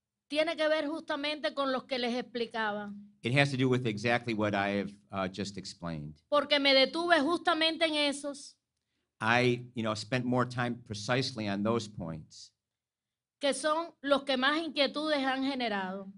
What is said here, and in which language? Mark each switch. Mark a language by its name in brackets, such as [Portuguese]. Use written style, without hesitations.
[Spanish] Tiene que ver justamente con los que les explicaba. [English] It has to do with exactly what I have just explained. [Spanish] Porque me detuve justamente en esos. [English] I, you know, spent more time precisely on those points. [Spanish] que son los que más inquietudes han generado.